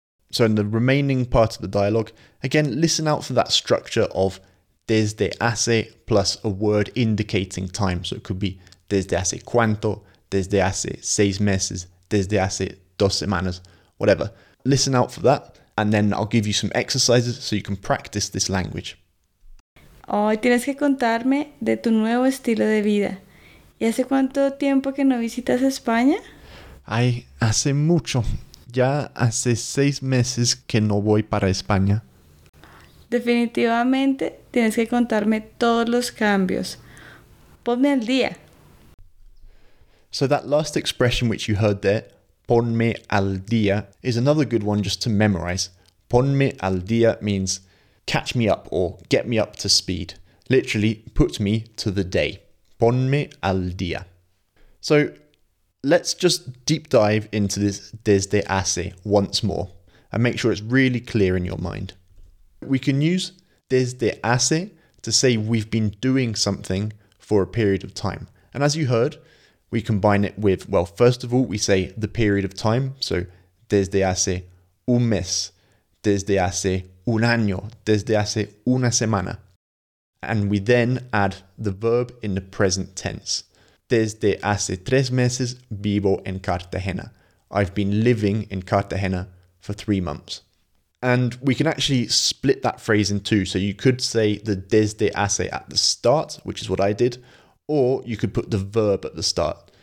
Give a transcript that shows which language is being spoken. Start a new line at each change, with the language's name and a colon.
English: So in the remaining part of the dialogue, again, listen out for that structure of desde hace plus a word indicating time. So it could be
Spanish: desde hace cuánto, desde hace 6 meses, desde hace 2 semanas,
English: whatever. Listen out for that, and then I'll give you some exercises so you can practice this language.
Spanish: Hoy tienes que contarme de tu nuevo estilo de vida. ¿Y hace cuánto tiempo que no visitas España? Ay, hace mucho. Ya hace 6 meses que no voy para España. Definitivamente tienes que contarme todos los cambios. Ponme al día.
English: So that last expression which you heard there,
Spanish: ponme al día,
English: is another good one just to memorize. Ponme al día means catch me up or get me up to speed. Literally, put me to the day.
Spanish: Ponme al día.
English: So let's just deep dive into this desde hace once more and make sure it's really clear in your mind. We can use desde hace to say we've been doing something for a period of time. And as you heard, we combine it with, well, first of all, we say the period of time.
Spanish: So desde hace un mes, desde hace un año, desde hace una semana.
English: And we then add the verb in the present tense.
Spanish: Desde hace 3 meses vivo en Cartagena.
English: I've been living in Cartagena for 3 months. And we can actually split that phrase in two. So you could say the desde hace at the start, which is what I did, or you could put the verb at the start.